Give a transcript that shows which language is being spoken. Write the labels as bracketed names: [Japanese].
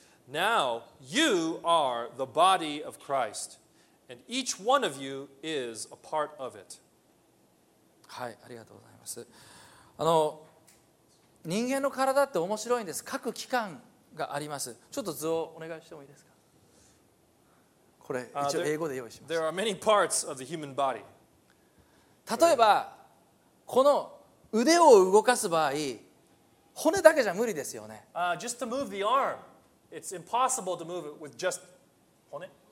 [English] Now you are the body of Christ, and each one of you is a part of it. [Japanese] はい、ありがとうございます。あの、人間の体って面白いんです。各器官があります。ちょっと図をお願いしてもいいですか。これ一応英語で用意します。 [English] There are many parts of the human body. [Japanese] 例えばこの腕を動かす場合、骨だけじゃ無理ですよね。 [English] Just to move the arm, it's impossible to move it with just 骨。